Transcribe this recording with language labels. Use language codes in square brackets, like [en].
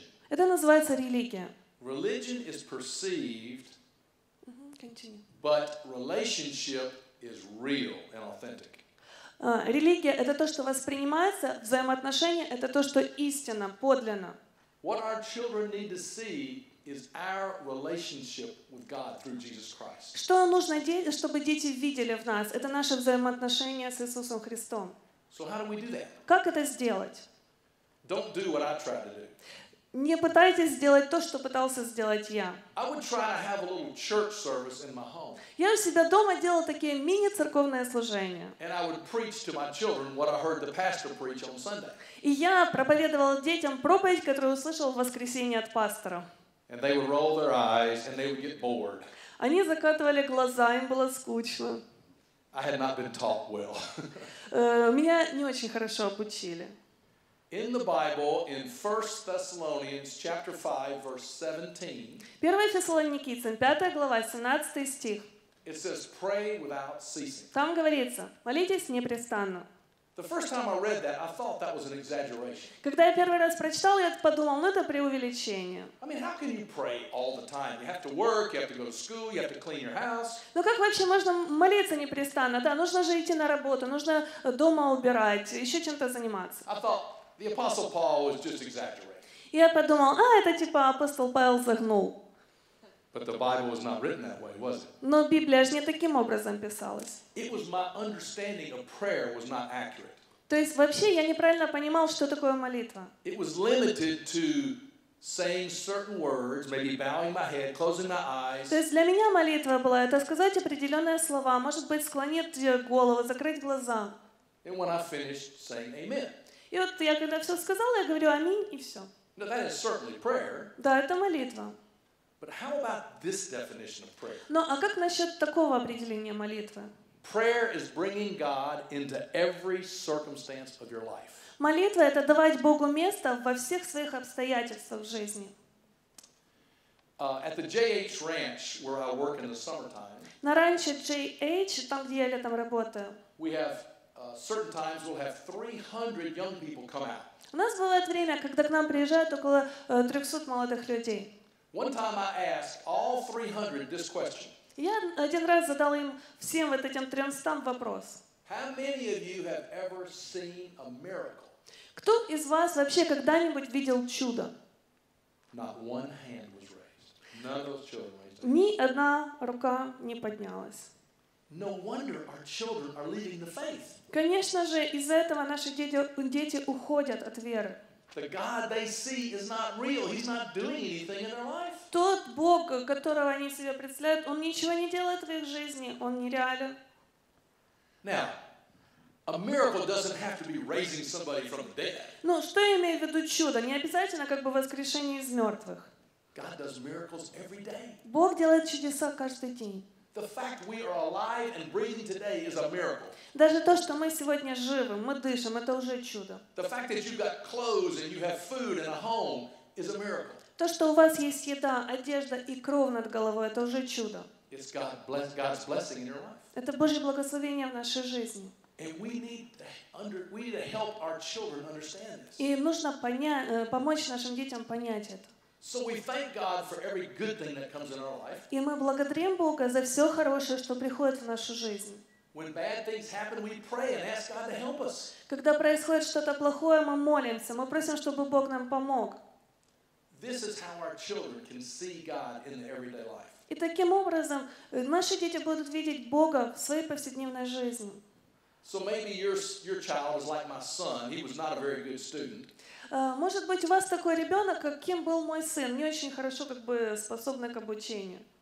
[ru] Это называется религия. [en] Religion is perceived, continue. But relationship is real and authentic. [ru] Религия — это то, что воспринимается, взаимоотношения — это то, что истинно, подлинно. [en] What our children need to see is our relationship with God through Jesus Christ. [ru] Что нужно делать, чтобы дети видели в нас? Это наши взаимоотношения с Иисусом Христом. [en] So how do we do that? [ru] Как это сделать? [en] Don't do what I tried to do. [ru] Не пытайтесь сделать то, что пытался сделать я. [en] I would try to have a little church service in my home. [ru] Я у себя дома делал такие мини-церковные служения. [en] And I would preach to my children what I heard the pastor preach on Sunday. [ru] И я проповедовал детям проповедь, которую услышал в воскресенье от пастора. [en] And they would roll their eyes and they would get bored. [ru] Они закатывали глаза, им было скучно. [en] I had not been taught well. [ru] Меня не очень хорошо обучили. [en] In the Bible, in 1 Thessalonians chapter 5, verse 17. [ru] 1 Фессалоникийцам, 5 глава, 17 стих. [en] It says, "Pray without ceasing." [ru] Там говорится, молитесь непрестанно. [en] The first time I read that, I thought that was an exaggeration. [ru] Когда я первый раз прочитал, я подумал, ну это преувеличение. [en] I mean, how can you pray all the time? You have to work, you have to go to school, you have to clean your house. [ru] Ну как вообще можно молиться непрестанно? Да, нужно же идти на работу, нужно дома убирать, еще чем-то заниматься. [en] I thought the apostle Paul was just exaggerating. [ru] Я подумал, а это типа апостол Павел загнул. [en] But the Bible was not written that way, was it? [ru] Но Библия же не таким образом писалась. [en] It was my understanding of prayer was not accurate. [ru] То есть вообще я неправильно понимал, что такое молитва. [en] It was limited to saying certain words, maybe bowing my head, closing my eyes. [ru] То есть для меня молитва была это сказать определенные слова, может быть склонить голову, закрыть глаза. [en] And when I finished saying amen. [ru] И вот я когда все сказал, я говорю аминь и все. [en] Now that is certainly prayer. [ru] Да, это молитва. [en] But how about this definition of prayer? [ru] Но а как насчет такого определения молитвы? [en] Prayer is bringing God into every circumstance of your life. [ru] Молитва — это давать Богу место во всех своих обстоятельствах в жизни. [en] At the JH Ranch, where I work in the summertime. [ru] На ранчо JH, там где я летом работаю. [en] We have certain times we'll have 300 young people come out. [ru] У нас бывает время, когда к нам приезжают около 300 молодых людей. [en] One time I asked all 300 this question. [ru] Я один раз задал им всем вот этим 300 вопрос. [en] How many of you have ever seen a miracle? [ru] Кто из вас вообще когда-нибудь видел чудо? [en] Not one hand was raised. None of those children raised. [ru] Ни одна рука не поднялась. [en] No wonder our children are leaving the faith. [ru] Конечно же, из-за этого наши дети уходят от веры. [en] The God they see is not real. He's not doing anything in their life. [ru] Тот Бог, которого они себе представляют, он ничего не делает в их жизни. Он нереален. [en] Now, a miracle doesn't have to be raising somebody from the dead. [ru] Ну, что я имею в виду чудо? Не обязательно как бы воскрешение из мертвых. [en] God does miracles every day. [ru] Бог делает чудеса каждый день. [en] The fact we are alive and breathing today is a miracle. [ru] Даже то, что мы сегодня живы, мы дышим, это уже чудо. [en] The fact that you've got clothes and you have food and a home is a miracle. [ru] То, что у вас есть еда, одежда и кровь над головой, это уже чудо. [en] It's God, God's blessing in your life. [ru] Это Божье благословение в нашей жизни. [en] And we need to help our children understand this. [ru] И нужно помочь нашим детям понять это. [en] So we thank God for every good thing that comes in our life. [ru] И мы благодарим Бога за все хорошее, что приходит в нашу жизнь. [en] When bad things happen, we pray and ask God to help us. [ru] Когда происходит что-то плохое, мы молимся, мы просим, чтобы Бог нам помог. [en] This is how our children can see God in their everyday life. [ru] И таким образом наши дети будут видеть Бога в своей повседневной жизни. [en] So maybe your child is like my son. He was not a very good student. [ru] Может быть, у вас такой ребенок, каким был мой сын, не очень хорошо как бы способный к обучению.